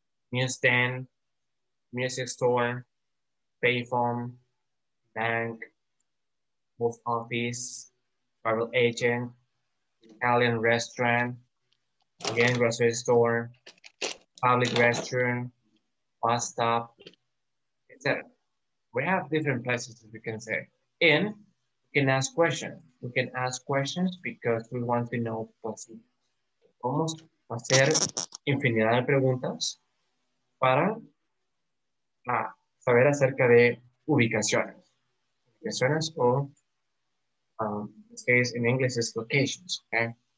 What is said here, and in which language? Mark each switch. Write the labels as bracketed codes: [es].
[en] newsstand, music store, payphone, bank, post office, travel agent, Italian restaurant, again, grocery store, public restroom, bus stop, etc. We have different places that we can say. And we can ask questions. We can ask questions because we want to know posible. [es] Vamos a hacer infinidad de preguntas para saber acerca de ubicaciones. Ubicaciones o [en] this case in English is locations, okay?